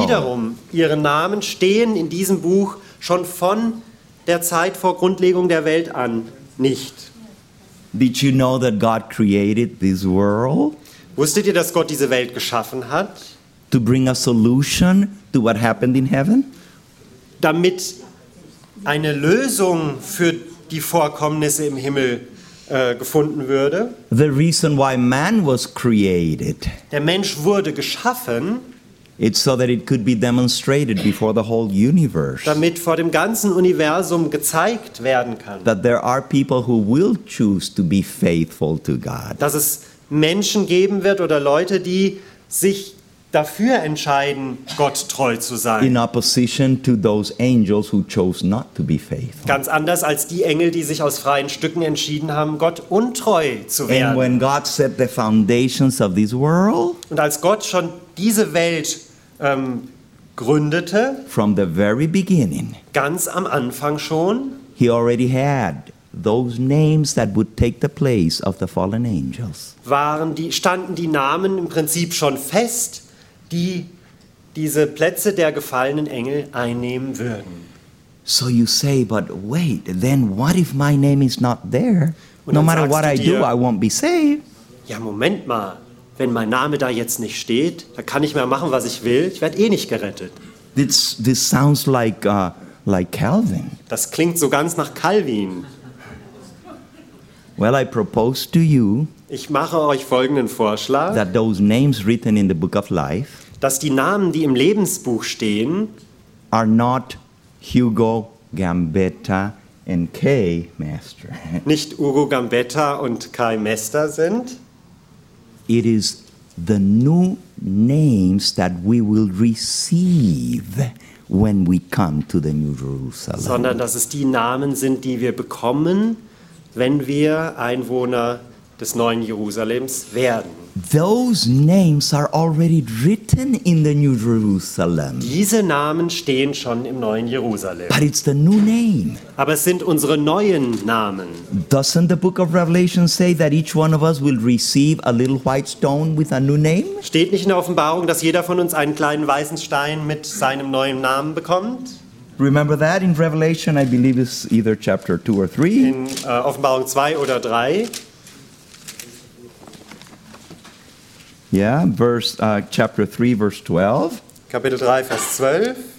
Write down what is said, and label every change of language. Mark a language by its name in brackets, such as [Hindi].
[German] Wiederum, ihre Namen stehen in diesem Buch schon von der Zeit vor Grundlegung der Welt an nicht. [English] Did you know that God created this world? [German] Wusstet ihr, dass Gott diese Welt geschaffen hat? [English] To bring a solution to what happened in heaven? [German] Damit eine Lösung für die Vorkommnisse im Himmel gefunden würde. [English] The reason why man was created. [German] Der Mensch wurde geschaffen. [English] It's so that it could be demonstrated before the whole universe. [German] Damit vor dem ganzen Universum gezeigt werden kann. [English] That there are people who will choose to be faithful to God. [German] Dass es Menschen geben wird oder Leute, die sich dafür entscheiden, Gott treu zu sein. [English] In opposition to those angels who chose not to be faithful. [German] Ganz anders als die Engel, die sich aus freien Stücken entschieden haben, Gott untreu zu werden. [English] And when God set the foundations of this world, [German] und als Gott schon diese Welt gründete, [English] from the very beginning, [German] ganz am Anfang schon, [English] he already had those names that would take the place of the fallen angels. [German] Standen die Namen im Prinzip schon fest, die diese Plätze der gefallenen Engel einnehmen würden. [English] So you say, but wait, then what if my name is not there? No matter what I do, I won't be saved. [German] Ja, Moment mal. Wenn mein Name da jetzt nicht steht, da kann ich mehr machen, was ich will. Ich werde eh nicht gerettet. [English] This sounds like Calvin. [German] Das klingt so ganz nach Calvin. [English] Well, I propose to you, [German] ich mache euch folgenden Vorschlag, [English] that those names written in the book of life, [German] dass die Namen, die im Lebensbuch stehen, [English] are not Hugo Gambetta and Kay Master. [German] Nicht Hugo Gambetta und Kay Master sind. [English] It is the new names that we will receive when we come to the New Jerusalem. [German] Sondern dass es die Namen sind, die wir bekommen, wenn wir Einwohner des neuen Jerusalems werden. [English] Those names are already written in the New Jerusalem. [German] Diese Namen stehen schon im neuen Jerusalem. [English] But it's the new name. [German] Aber es sind unsere neuen Namen. [English] Doesn't the book of Revelation say that each one of us will receive a little white stone with a new name? [German] Steht nicht in der Offenbarung, dass jeder von uns einen kleinen weißen Stein mit seinem neuen Namen bekommt? [English] Remember that in Revelation, I believe it's either chapter 2 or 3. [German] In Offenbarung 2 oder 3. [English] Yeah, chapter 3, verse 12. [German] Kapitel 3, Vers 12.